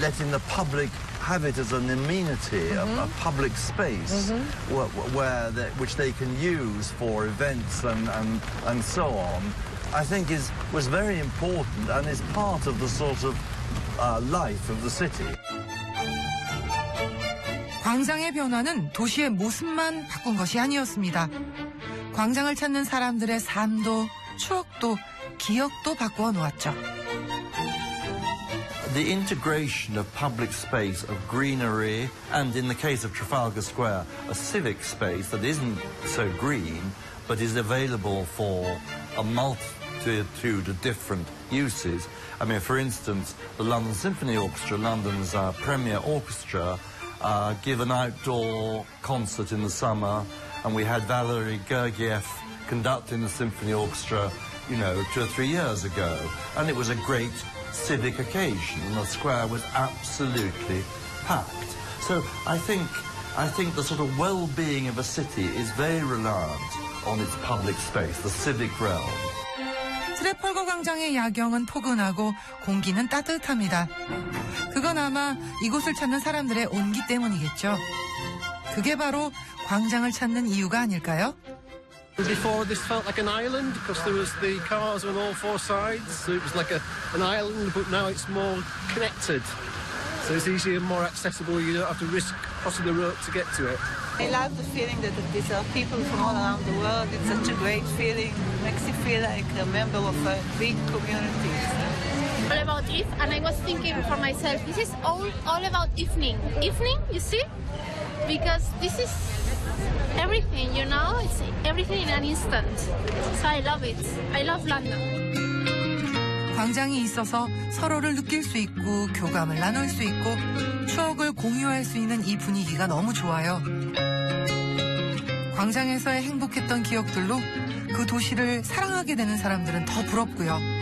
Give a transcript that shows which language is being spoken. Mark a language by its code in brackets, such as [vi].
[en] letting the public have it as an amenity, mm-hmm. a public space, mm-hmm. which they can use for events and so on, I think was very important and is part of the sort of life of the city. [ko] 광장의 변화는 도시의 모습만 바꾼 것이 아니었습니다. 광장을 찾는 사람들의 삶도, 추억도, 기억도 바꾸어 놓았죠. [en] The integration of public space, of greenery, and in the case of Trafalgar Square, a civic space that isn't so green, but is available for a multitude of different uses. I mean, for instance, the London Symphony Orchestra, London's premier orchestra, give an outdoor concert in the summer, and we had Valery Gergiev conducting the symphony orchestra, you know, two or three years ago, and it was a great civic occasion, and the square was absolutely packed. So I think the sort of well-being of a city is very reliant on its public space, the civic realm. [ko] 트래펄거 광장의 야경은 포근하고 공기는 따뜻합니다. 그건 아마 이곳을 찾는 사람들의 온기 때문이겠죠. 그게 바로 광장을 찾는 이유가 아닐까요? [en] Before this felt like an island because there was the cars on all four sides, so it was like an island. But now it's more connected, so it's easier and more accessible. You don't have to risk crossing the road to get to it. I love the feeling that these are people from all around the world. It's such a great feeling. It makes you feel like a member of a big community. All about Eve, and I was thinking for myself. This is all about evening. Evening, you see, because this is. Everything, you know, it's everything in an instant. So I love it. I love London. [ko] 광장이 있어서 서로를 느낄 수 있고 교감을 나눌 수 있고 추억을 공유할 수 있는 이 분위기가 너무 좋아요. 광장에서의 행복했던 기억들로 그 도시를 사랑하게 되는 사람들은 더 부럽고요.